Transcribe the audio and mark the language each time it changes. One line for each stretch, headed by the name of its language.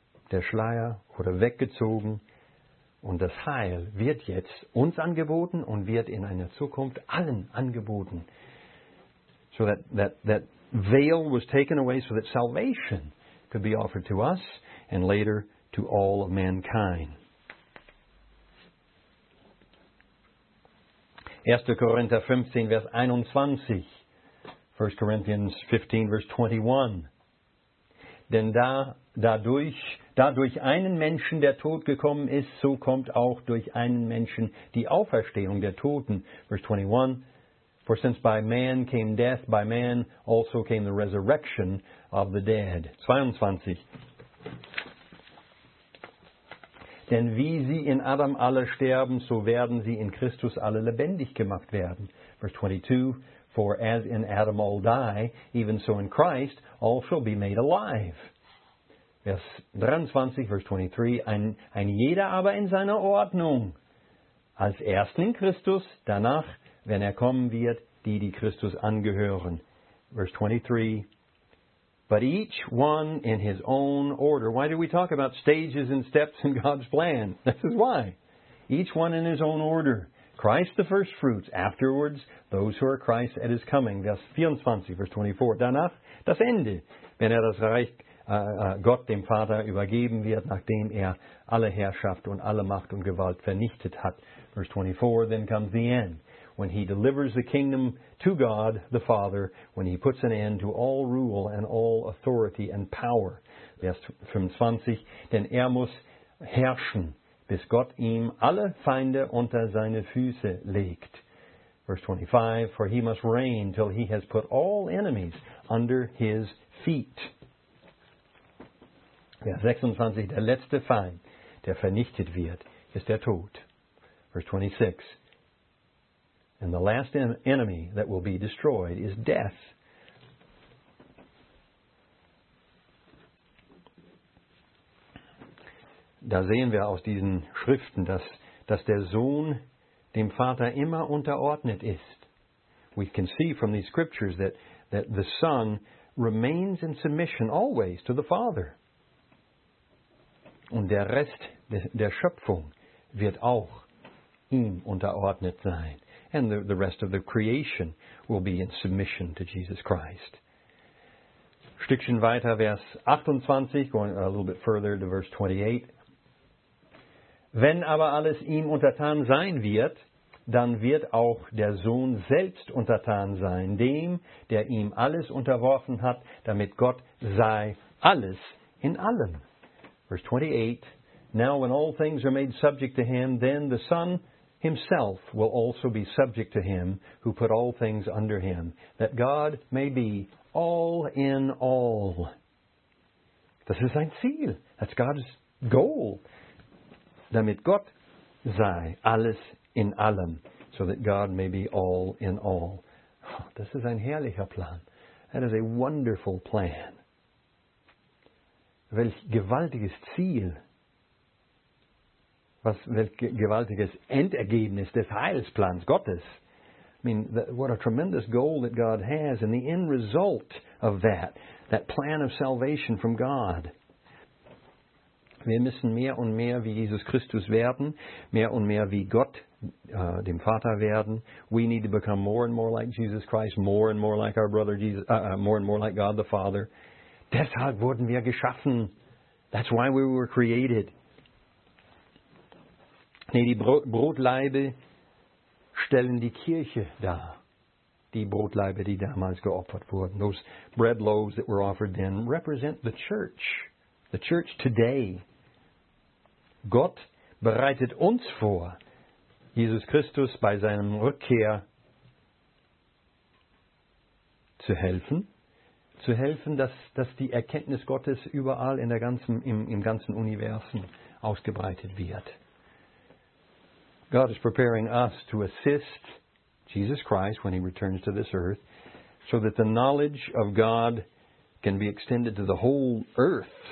German: Der Schleier wurde weggezogen und das Heil wird jetzt uns angeboten und wird in einer Zukunft allen angeboten.
English: So that veil was taken away so that salvation could be offered to us and later to all of mankind.
German: 1. Korinther 15, Vers 21. 1.
English: Corinthians 15, Vers 21.
German: Denn dadurch einen Menschen der Tod gekommen ist, so kommt auch durch einen Menschen die Auferstehung der Toten.
English: Verse 21, for since by man came death, by man also came the resurrection of the dead.
German: 22, denn wie sie in Adam alle sterben, so werden sie in Christus alle lebendig gemacht werden.
English: Verse 22, for as in Adam all die, even so in Christ all shall be made alive.
German: Vers 23, Vers 23, ein jeder aber in seiner Ordnung, als Erstling Christus, danach, wenn er kommen wird, die Christus angehören. Vers 23,
English: But each one in his own order. Why do we talk about stages and steps in God's plan? This is why. Each one in his own order. Christ the first fruits, afterwards those who are Christ at his coming.
German: Vers 24, verse 24. Danach das Ende, wenn das Reich Gott dem Vater übergeben wird, nachdem alle Herrschaft und alle Macht und Gewalt vernichtet hat.
English: Verse 24, then comes the end. When he delivers the kingdom to God, the Father, when he puts an end to all rule and all authority and power.
German: Vers 25, denn muss herrschen, bis Gott ihm alle Feinde unter seine Füße legt.
English: Verse 25, for he must reign till he has put all enemies under his feet.
German: Vers 26, der letzte Feind, der vernichtet wird, ist der Tod.
English: Verse 26, and the last enemy that will be destroyed is death.
German: Da sehen wir aus diesen Schriften, dass der Sohn dem Vater immer unterordnet ist.
English: We can see from these scriptures that the Son remains in submission always to the Father.
German: Und der Rest der Schöpfung wird auch ihm unterordnet sein.
English: And the rest of the creation will be in submission to Jesus Christ.
German: Stückchen weiter, Vers 28,
English: going a little bit further to verse 28.
German: Wenn aber alles ihm untertan sein wird, dann wird auch der Sohn selbst untertan sein, dem, der ihm alles unterworfen hat, damit Gott sei alles in allem.
English: Verse 28, now when all things are made subject to him, then the Son himself will also be subject to him who put all things under him, that God may be all in all.
German: Das ist sein Ziel.
English: That's God's goal.
German: Damit Gott sei alles in allem,
English: so that God may be all in all.
German: Oh, das ist ein herrlicher Plan.
English: That is a wonderful plan.
German: Welch gewaltiges Ziel, welch gewaltiges Endergebnis des Heilsplans Gottes.
English: I mean, what a tremendous goal that God has, and the end result of that plan of salvation from God.
German: Wir müssen mehr und mehr wie Jesus Christus werden, mehr und mehr wie Gott, dem Vater werden.
English: We need to become more and more like Jesus Christ, more and more like our brother Jesus, more and more like God the Father.
German: Deshalb wurden wir geschaffen.
English: That's why we were created.
German: Nee, die Brotlaibe stellen die Kirche dar. Die Brotlaibe, die damals geopfert wurden.
English: Those bread loaves that were offered then represent the church. The church today.
German: Gott bereitet uns vor, Jesus Christus bei seinem Rückkehr zu helfen. Zu helfen, dass die Erkenntnis Gottes überall in der ganzen, im ganzen Universum ausgebreitet wird.
English: God is preparing us to assist Jesus Christ when he returns to this earth, so that the knowledge of God can be extended to the whole earth.